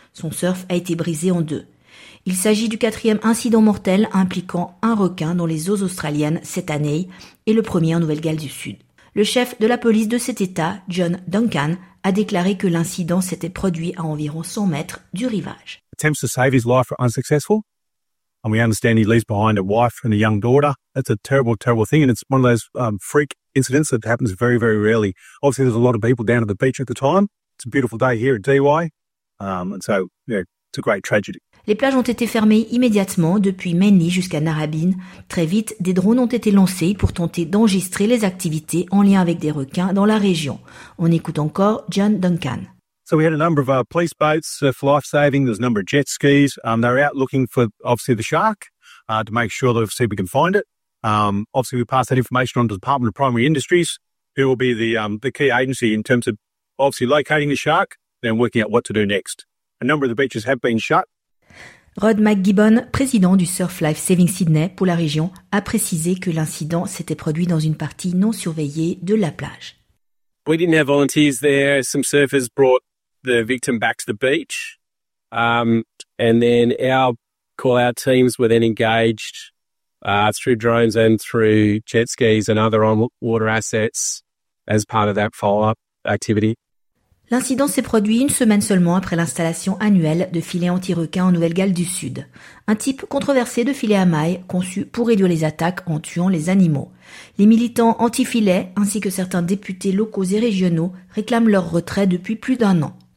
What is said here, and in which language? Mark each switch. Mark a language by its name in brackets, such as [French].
[French] Son surf a été brisé en deux. Il s'agit du 4e incident mortel impliquant un requin dans les eaux australiennes cette année et le premier en Nouvelle-Galles du Sud. Le chef de la police de cet état, John Duncan, a déclaré que l'incident s'était produit à environ 100 mètres du rivage. [English] Attempts to save his life were unsuccessful. And we understand he leaves behind a wife and a young daughter. That's a terrible, terrible thing. And it's one of those freak incidents that happens very, very rarely. Obviously, there's a lot of people down at the beach at the time. It's a beautiful day here at DY. It's a great tragedy. [French] Les plages ont été fermées immédiatement depuis Manly jusqu'à Narrabeen. Très vite, des drones ont été lancés pour tenter d'enregistrer les activités en lien avec des requins dans la région. On écoute encore John Duncan. [English] So we had a number of police boats for life saving. There's a number of jet skis. They're out looking for obviously the shark to make sure that obviously we can find it. Obviously, we pass that information on to the Department of Primary Industries, who will be the key agency in terms of obviously locating the shark, then working out what to do next. A number of the beaches have been shut. [French] Rod McGibbon, président du Surf Life Saving Sydney pour la région, a précisé que l'incident s'était produit dans une partie non surveillée de la plage. [English] We didn't have volunteers there. Some surfers brought the victim back to the beach. And then our call-out teams were then engaged through drones and through jet skis and other on-water assets as part of that follow-up activity. [French] L'incident s'est produit une semaine seulement après l'installation annuelle de filets anti-requins en Nouvelle-Galles du Sud. Un type controversé de filets à mailles conçu pour réduire les attaques en tuant les animaux. Les militants anti-filets ainsi que certains députés locaux et régionaux réclament leur retrait depuis plus d'un an.